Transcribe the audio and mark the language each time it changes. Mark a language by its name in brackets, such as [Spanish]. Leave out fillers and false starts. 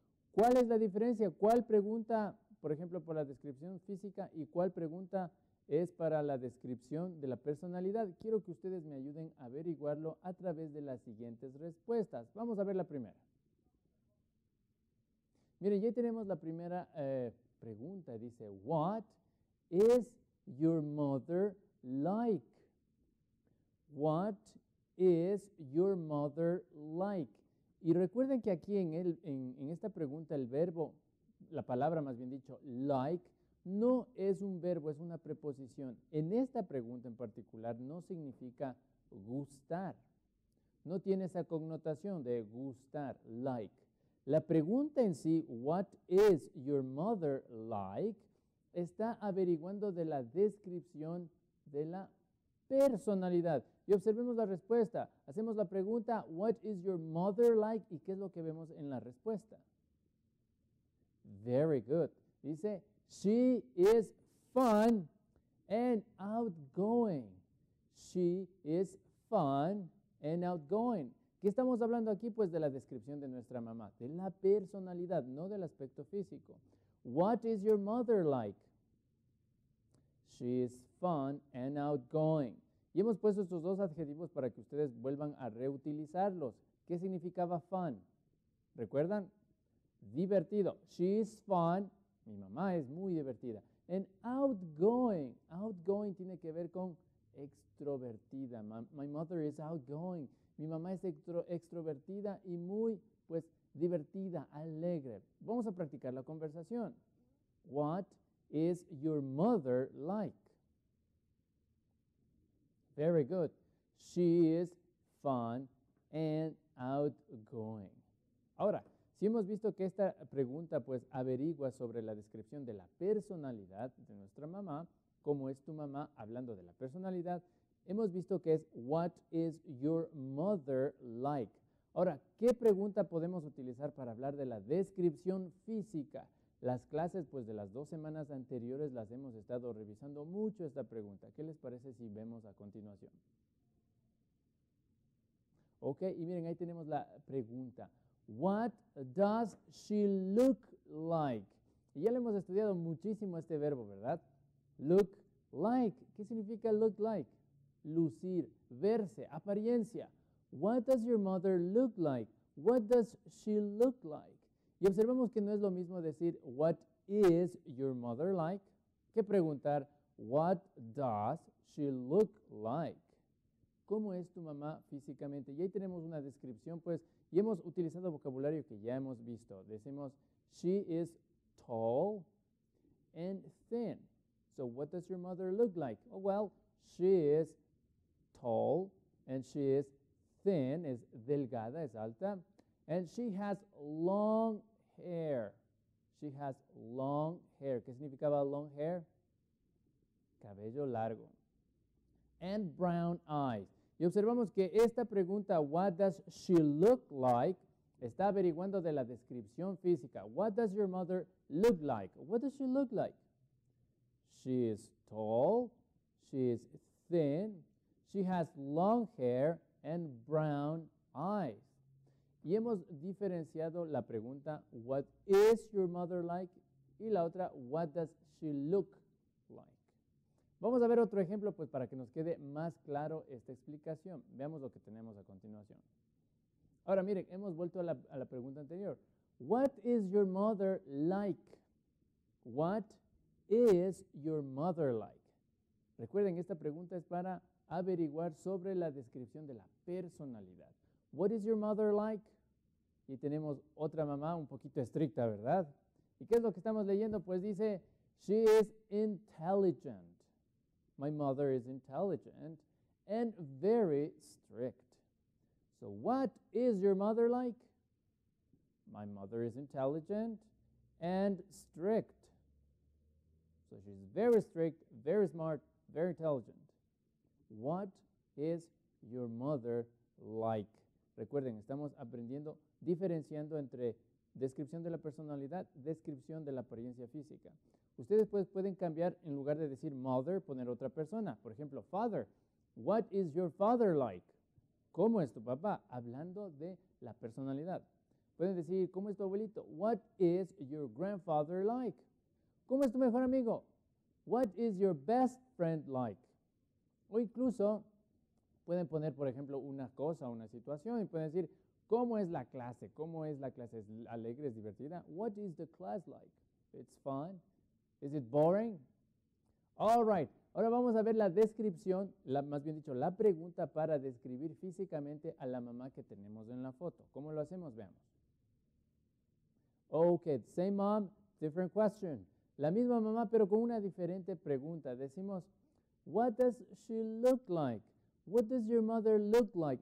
[Spanish] ¿Cuál es la diferencia? ¿Cuál pregunta, por ejemplo, por la descripción física y cuál pregunta es para la descripción de la personalidad? Quiero que ustedes me ayuden a averiguarlo a través de las siguientes respuestas. Vamos a ver la primera. Miren, ya tenemos la primera pregunta. [English] Dice, what is your mother like? What is your mother like? [Spanish] Y recuerden que aquí en esta pregunta el verbo, la palabra más bien dicho, like, no es un verbo, es una preposición. En esta pregunta en particular no significa gustar. No tiene esa connotación de gustar, like. La pregunta en sí, [English] what is your mother like, [Spanish] está averiguando de la descripción de la personalidad. Y observemos la respuesta. Hacemos la pregunta, [English] what is your mother like? [Spanish] ¿Y qué es lo que vemos en la respuesta? [English] Very good. Dice, she is fun and outgoing. She is fun and outgoing. [Spanish] ¿Qué estamos hablando aquí? Pues de la descripción de nuestra mamá, de la personalidad, no del aspecto físico. [English] What is your mother like? She is fun and outgoing. [Spanish] Y hemos puesto estos dos adjetivos para que ustedes vuelvan a reutilizarlos. ¿Qué significaba fun? ¿Recuerdan? Divertido. [English] She is fun. [Spanish] Mi mamá es muy divertida. [English] And outgoing. [Spanish] Outgoing tiene que ver con extrovertida. [English] My mother is outgoing. [Spanish] Mi mamá es extrovertida y muy, pues, divertida, alegre. Vamos a practicar la conversación. [English] What is your mother like? Very good. She is fun and outgoing. [Spanish] Ahora, si hemos visto que esta pregunta pues averigua sobre la descripción de la personalidad de nuestra mamá, ¿cómo es tu mamá? Hablando de la personalidad, hemos visto que es [English] what is your mother like. [Spanish] Ahora, ¿qué pregunta podemos utilizar para hablar de la descripción física? Las clases, pues, de las dos semanas anteriores las hemos estado revisando mucho esta pregunta. ¿Qué les parece si vemos a continuación? Ok, y miren, ahí tenemos la pregunta. [English] What does she look like? [Spanish] Y ya le hemos estudiado muchísimo este verbo, ¿verdad? Look like. ¿Qué significa look like? Lucir, verse, apariencia. [English] What does your mother look like? What does she look like? [Spanish] Y observemos que no es lo mismo decir, [English] what is your mother like, [Spanish] que preguntar, [English] what does she look like? [Spanish] ¿Cómo es tu mamá físicamente? Y ahí tenemos una descripción, pues, y hemos utilizado vocabulario que ya hemos visto. [English] Decimos, she is tall and thin. So, what does your mother look like? Oh, well, she is And she is thin, [Spanish] es delgada, es alta. [English] And she has long hair. She has long hair. [Spanish] ¿Qué significaba long hair? Cabello largo. [English] And brown eyes. [Spanish] Y observamos que esta pregunta, [English] what does she look like? [Spanish] Está averiguando de la descripción física. [English] What does your mother look like? What does she look like? She is tall. She is thin. She has long hair and brown eyes. [Spanish] Y hemos diferenciado la pregunta, [English] what is your mother like? [Spanish] Y la otra, [English] what does she look like? [Spanish] Vamos a ver otro ejemplo, pues, para que nos quede más claro esta explicación. Veamos lo que tenemos a continuación. Ahora, miren, hemos vuelto a la pregunta anterior. [English] What is your mother like? What is your mother like? [Spanish] Recuerden, esta pregunta es para averiguar sobre la descripción de la personalidad. [English] What is your mother like? [Spanish] Y tenemos otra mamá un poquito estricta, ¿verdad? ¿Y qué es lo que estamos leyendo? Pues dice, [English] she is intelligent. My mother is intelligent and very strict. So what is your mother like? My mother is intelligent and strict. So she's very strict, very smart, very intelligent. What is your mother like? [Spanish] Recuerden, estamos aprendiendo, diferenciando entre descripción de la personalidad, descripción de la apariencia física. Ustedes pues pueden cambiar, en lugar de decir mother, poner otra persona. Por ejemplo, father. [English] What is your father like? [Spanish] ¿Cómo es tu papá? Hablando de la personalidad. Pueden decir, ¿cómo es tu abuelito? [English] What is your grandfather like? [Spanish] ¿Cómo es tu mejor amigo? [English] What is your best friend like? [Spanish] O incluso, pueden poner, por ejemplo, una cosa, una situación, y pueden decir, ¿cómo es la clase? ¿Cómo es la clase? ¿Es alegre? ¿Es divertida? [English] What is the class like? It's fun. Is it boring? All right. [Spanish] Ahora vamos a ver la descripción, la pregunta para describir físicamente a la mamá que tenemos en la foto. ¿Cómo lo hacemos? Veamos. [English] Okay, same mom, different question. [Spanish] La misma mamá, pero con una diferente pregunta. [English] Decimos, what does she look like? What does your mother look like?